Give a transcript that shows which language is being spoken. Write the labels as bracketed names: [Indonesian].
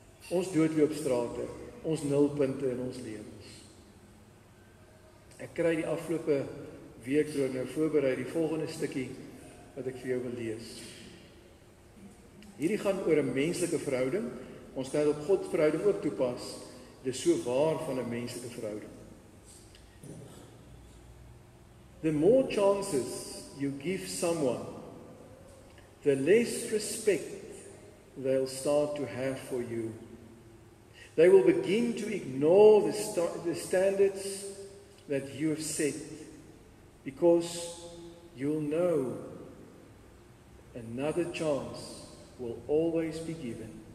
[Afrikaans] Ons doodloop strate, ons nulpunte in ons lewens. Ek kry die afgelope week so nou voorberei die volgende stukkie wat ek vir jou wil lees. Hierdie gaan oor 'n menslike verhouding. Ons kan dit op God se verhouding ook toepas. Dit is so waar van 'n menslike verhouding. [English] The more chances you give someone, the less respect they'll start to have for you. They will begin to ignore the standards that you have set, because you'll know another chance will always be given.